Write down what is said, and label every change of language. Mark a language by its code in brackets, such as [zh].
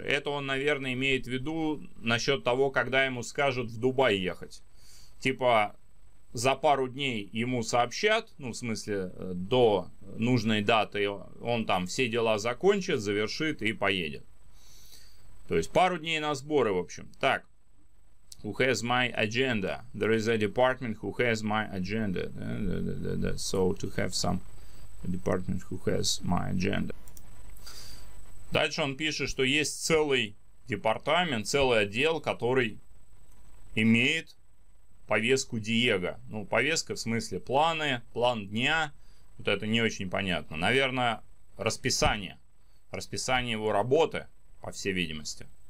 [ru] Это он, наверное, имеет в виду насчет того, когда ему скажут в Дубай ехать. Типа, за пару дней ему сообщат, ну, в смысле, до нужной даты, он там все дела закончит, завершит и поедет. То есть, пару дней на сборы, в общем. Так, [en] who has my agenda? There is a department who has my agenda. So, to have some... Department who has my agenda. [ru] Дальше он пишет, что есть целый департамент, целый отдел, который имеет повестку Диего. Ну, повестка в смысле планы, план дня. Вот это не очень понятно. Наверное, расписание. Расписание его работы, по всей видимости.